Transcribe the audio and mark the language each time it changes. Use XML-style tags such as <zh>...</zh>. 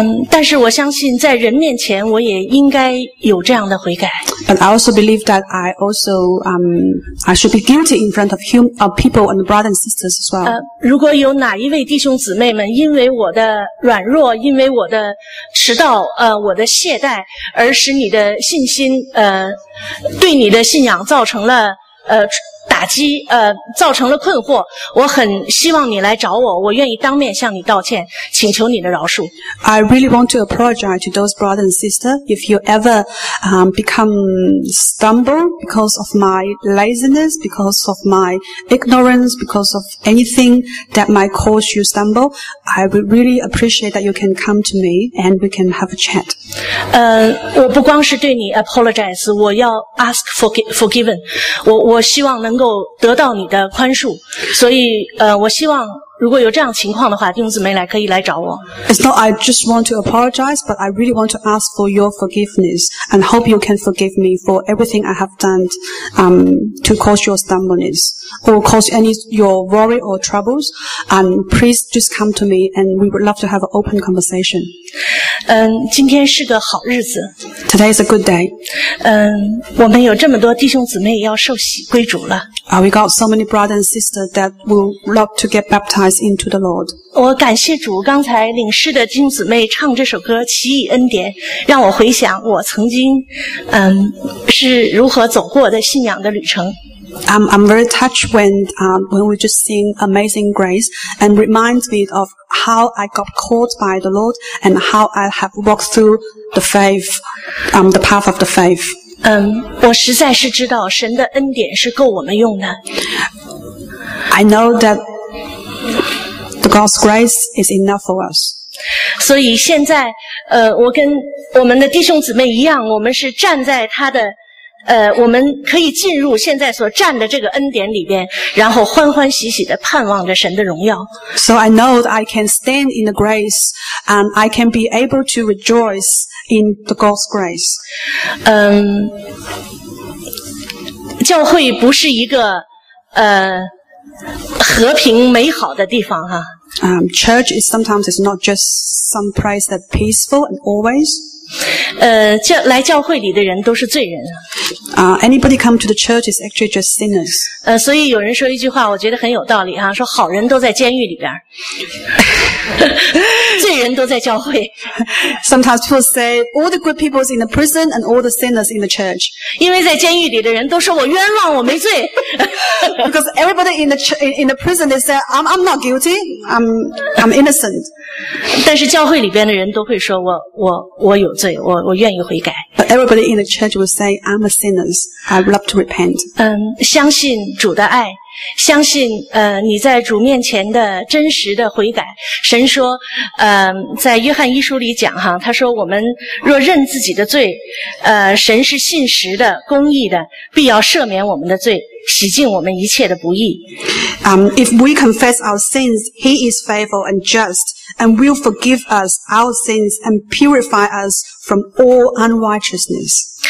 <zh>但是我相信在人面前我也应该有这样的悔改。</zh> <en>But I also believe that I also, I should be guilty in front of Him, of people and brothers and sisters as well.</en> <zh>如果有哪一位弟兄姊妹们因为我的软弱，因为我的迟到，我的懈怠，而使你的信心，对你的信仰造成了，打击，造成了困惑，我很希望你来找我，我愿意当面向你道歉，请求你的饶恕。</zh> <en>I really want to apologize to those brothers and sisters if you ever, become stumble because of my laziness, because of my ignorance, because of anything that might cause you stumble. I would really appreciate that you can come to me and we can have a chat.</en> <zh>我不光是对你 apologize, 我要</zh> <en>ask forgiven.</en> <zh>我希望能够得到你的宽恕，所以我希望如果有这样情况的话，弟兄姊妹来可以来找我。</zh> <en>It's not I just want to apologize, but I really want to ask for your forgiveness and hope you can forgive me for everything I have done, to cause your stumbleness or cause any your worry or troubles. And please just come to me and we would love to have an open conversation.</en> <zh>今天是个好日子。</zh> <en>Today is a good day.</en> <zh>我们有这么多弟兄姊妹要受洗归主了。</zh> <en>We got so many brothers and sisters that will love to get baptized. Into the Lord.</en> <zh>我感谢主，刚才领诗的弟兄姊妹唱这首歌《奇异恩典》，让我回想我曾经，是如何走过的信仰的旅程。</zh> <en>I'm very touched when we just sing Amazing Grace and reminds me of how I got called by the Lord and how I have walked through the faith, the path of the faith.</en> <zh>我实在是知道神的恩典是够我们用的。</zh> <en>I know that. God's grace is enough for us.</en> <zh>所以现在，我跟我们的弟兄姊妹一样，我们是站在他的，我们可以进入现在所站的这个恩典里边，然后欢欢喜喜地盼望着神的荣耀。</zh> <en>So I know that I can stand in the grace, and I can be able to rejoice in the God's grace.</en> <zh>教会不是一个，和平美好的地方哈。</zh> <en>Church is sometimes it's not just some place that peaceful and always.</en> <zh>来教会里的人都是罪人。</zh> <en>Anybody come to the church is actually just sinners.</en> <zh>所以有人说一句话，我觉得很有道理哈，说好人都在监狱里边，罪人都在教会。</zh> <en>Sometimes people say all the good people is in the prison and all the sinners in the church.</en> <zh>因为在监狱里的人都说我冤枉，我没罪。</zh> <en>Because everybody in the prison they say I'm not guilty, I'm innocent.</en> <zh>但是教会里边的人都会说我有罪，我愿意悔改。</zh> <en>But everybody in the church will say I'm a sinner, I'd love to repent.</en> <zh>相信主的爱。相信你在主面前的真实的悔改。神说在约翰一书里讲哈，他说我们若认自己的罪，神是信实的公义的，必要赦免我们的罪，洗净我们一切的不义。</zh> <en>If we confess our sins, he is faithful and just and will forgive us our sins and purify us from all unrighteousness.</en>